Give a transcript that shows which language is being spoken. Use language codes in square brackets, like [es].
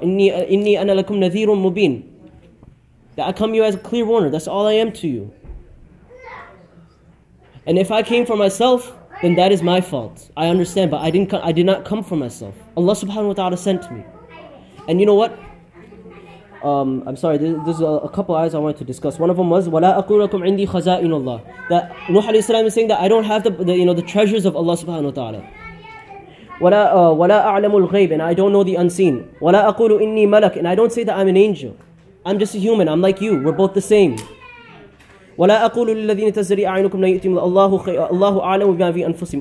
[ar] Inni ana lakum nadhirun mubin. [en] That I come to you as a clear warner. That's all I am to you. And if I came for myself, then that is my fault. I understand, but I did not come for myself. Allah subhanahu wa ta'ala sent me. And you know what? I'm sorry, there's a couple of ayahs I wanted to discuss. One of them was [ar] وَلَا أَقُولَكُمْ عِنْدِي خَزَائِنُ اللَّهِ. [en] That Nuh alayhi salam is saying that I don't have the treasures of Allah subhanahu wa ta'ala. [ar] وَلَا أَعْلَمُ الْغَيْبِ. [en] And I don't know the unseen. [ar] وَلَا أَقُولُ إِنِّي مَلَكٍ. [en] And I don't say that I'm an angel. I'm just a human, I'm like you, we're both the same. [ar] وَلَا أَقُولُ لِلَّذِينَ تَزْرِي أَعْيُنُكُمْ لَنْ يُؤْتِيهِمُ اللَّهُ أَعْلَمُ بِمَا فِي أَنفُسِهِمْ.